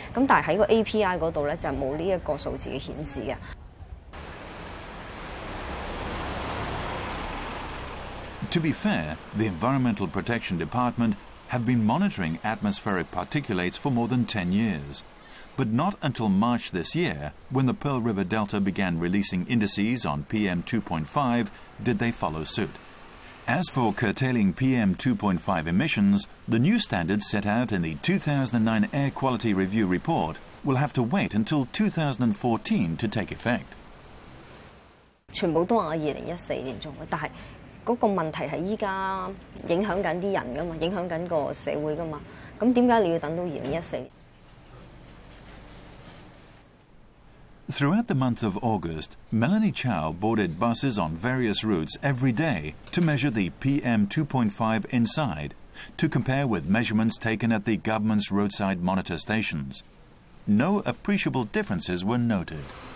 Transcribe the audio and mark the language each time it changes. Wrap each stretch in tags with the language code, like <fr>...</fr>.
<yue>咁但係喺個 API 嗰度咧，就冇呢一個數字嘅顯示嘅。</yue> <en>To be fair, the Environmental Protection Department have been monitoring atmospheric particulates for more than 10 years. But not until March this year, when the Pearl River Delta began releasing indices on PM2.5, did they follow suit. As for curtailing PM2.5 emissions, the new standards set out in the 2009 Air Quality Review report will have to wait until 2014 to take effect.</en> <yue>全部都話2014年做嘅，但係嗰個問題係依家影響緊啲人噶嘛，影響緊個社會噶嘛，咁點解你要等到2014年？</yue> <en>Throughout the month of August, Melanie Chow boarded buses on various routes every day to measure the PM2.5 inside, to compare with measurements taken at the government's roadside monitor stations. No appreciable differences were noted.</en>